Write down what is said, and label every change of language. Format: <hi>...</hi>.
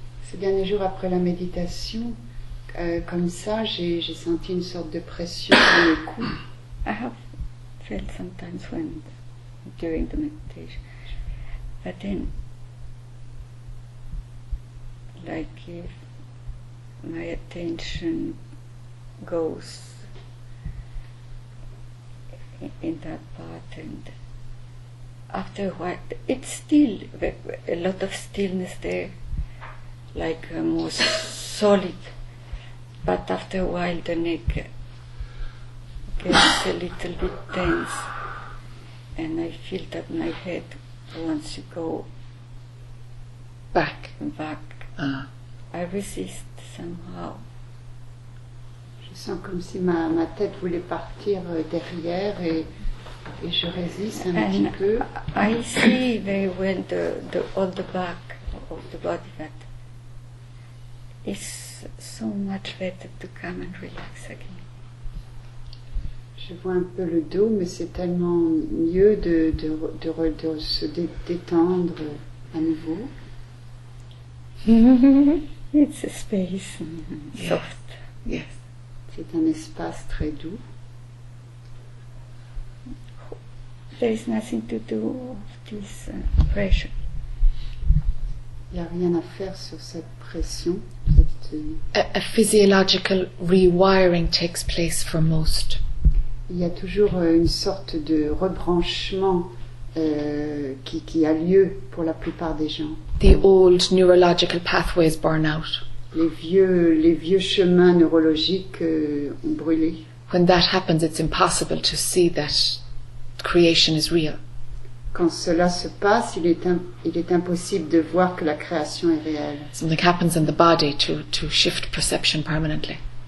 <fr>Ces derniers jours après la méditation, comme ça, j'ai senti une sorte de pression dans le cou.</fr> <en>I have felt sometimes when during the meditation, but then, like if my attention goes in that part and. After a while, it's still a lot of stillness there, like more solid. But after a while, the neck gets a little bit tense, and I feel that my head wants to go back. Back. I resist somehow.</en> <fr>Je sens comme si ma tête voulait partir derrière et. Et je résiste un</fr> <en>and</en> <fr>petit peu.</fr> <en>I see very well the all the back of the body, but it's so much better to come and relax again.</en> <fr>Je vois un peu le dos, mais c'est tellement mieux de se détendre à nouveau.</fr> <en>It's a space soft. Yes.</en> <fr>C'est un espace très doux.</fr> <en>There is nothing to do with this pressure.</en> <fr>Il y a rien à faire sur cette pression.</fr> <en>A physiological rewiring takes place for most.</en> <fr>Il y a toujours une sorte de rebranchement qui a lieu pour la plupart des gens.</fr> <en>The old neurological pathways burn out.</en> <fr>Les vieux chemins neurologiques ont brûlé.</fr> <en>When that happens, it's impossible to see that. Creation is real.</en> <fr>Quand cela se passe, il est impossible de voir que la création est réelle.</fr> <en>Something happens in the body to shift perception permanently.</en>